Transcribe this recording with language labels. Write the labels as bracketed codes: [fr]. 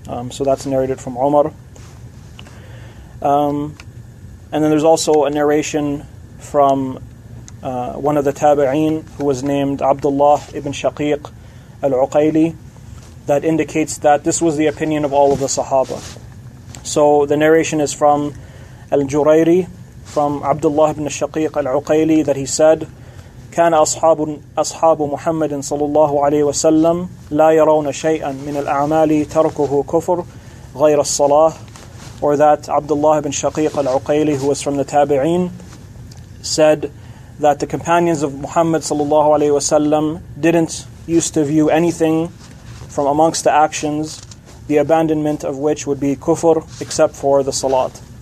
[en] So that's narrated from Umar. And then there's also a narration from one of the Tâbi’în, who was named Abdullâh ibn Shaqîq al-Uqaylî, that indicates that this was the opinion of all of the Sahaba. So the narration is from al-Jurayri, from Abdullâh ibn Shaqîq al-Uqaylî, that he said, [ar] كان أصحاب محمد صلى الله عليه وسلم لا يرون شيئا من الأعمال تركه كفر غير الصلاة. [en] Or that Abdullah ibn Shaqiq al-Uqayli, who was from the Tabi'een, said that the companions of Muhammad صلى الله عليه وسلم didn't used to view anything from amongst the actions, the abandonment of which would be kufr, except for the Salat.